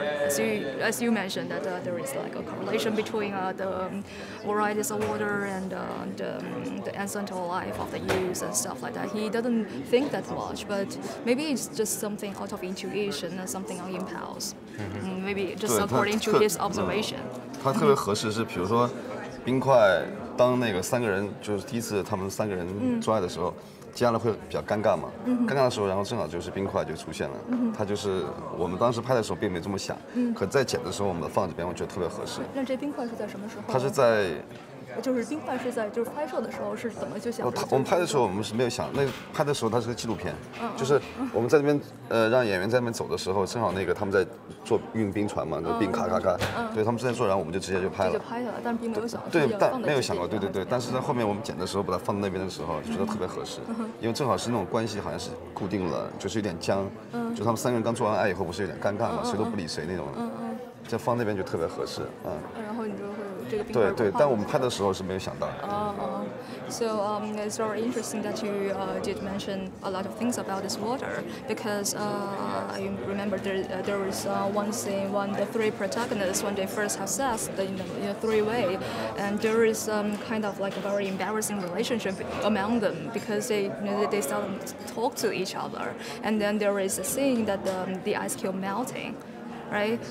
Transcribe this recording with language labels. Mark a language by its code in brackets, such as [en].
[en] As you mentioned, that there is like a correlation between the varieties of water and the ancestral life of the youth and stuff like that. He doesn't think that much, but maybe it's just something out of intuition and something on impulse. Maybe just according to his observation. [zh] 他特别合适是比如说冰块，当那个三个人就是第一次他们三个人做爱的时候，接下来会比较尴尬嘛？尴尬的时候，然后正好就是冰块就出现了。他就是我们当时拍的时候并没这么想，可在剪的时候我们放这边，我觉得特别合适。那这冰块是在什么时候？他是在，就是冰块是在就是拍摄的时候是怎么就想？我们拍的时候我们是没有想，那拍的时候它是个纪录片，就是我们在那边让演员在那边走的时候，正好那个他们在做运冰船嘛，那冰咔咔咔，对，他们正在做，然后我们就直接就拍了，就拍了，但并没有想对，但没有想过，对，但是在后面我们剪的时候把它放在那边的时候，觉得特别合适，因为正好是那种关系好像是固定了，就是有点僵，就他们三个人刚做完爱以后不是有点尴尬嘛，谁都不理谁那种，就放那边就特别合适，然后你就会有这个。对，但我们拍的时候是没有想到。 [en] So it's very interesting that you did mention a lot of things about this water, because I remember there was one scene when the three protagonists, when they first have sex in the three-way, and there is kind of like a very embarrassing relationship among them, because they seldom talk to each other, and then there is a scene that the ice cube melting. Right.